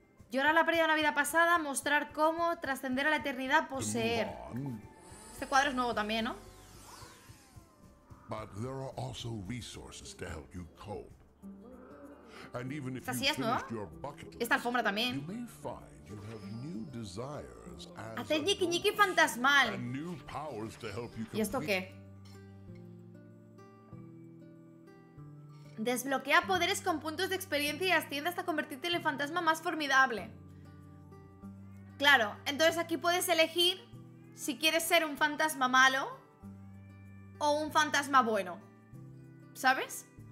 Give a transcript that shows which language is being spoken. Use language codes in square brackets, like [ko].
[es] Llorar la pérdida de una vida pasada, mostrar cómo trascender a la eternidad, poseer. Este cuadro es nuevo también, ¿no? [en] But there are also resources to help you cope. And even if you finished your [es] esta alfombra también. [en] You may find you have new desires as [es] a ñiqui fantasmal. [en] And new powers to help you. [es] ¿Y esto qué? Desbloquea poderes con puntos de experiencia y asciende hasta convertirte en el fantasma más formidable. Claro, entonces aquí puedes elegir si quieres ser un fantasma malo. O un fantasma bueno. ¿Sabes?